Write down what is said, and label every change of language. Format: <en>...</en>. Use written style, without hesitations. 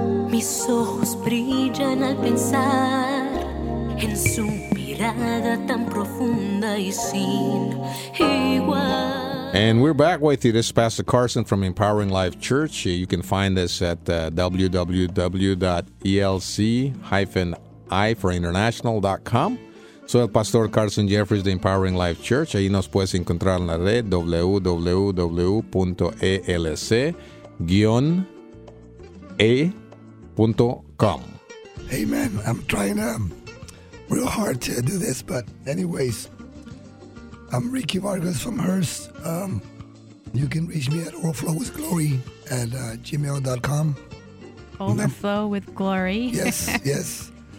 <es>Mis ojos brillan al pensar en su mirada tan profunda y sin igual.</es> <en>And we're back with you. This is Pastor Carson from Empowering Life Church. You can find us at www.elc-i4international.com.</en> <es>Soy el Pastor Carson Jeffries de Empowering Life Church. Ahí nos puedes encontrar en la red www.elc-a.com.</es> <en>Hey, man, I'm trying real hard to do this, but anyways, I'm Ricky Vargas from Hearst. You can reach me at overflowwithglory@gmail.com. Overflowwithglory? Yes, yes.</en>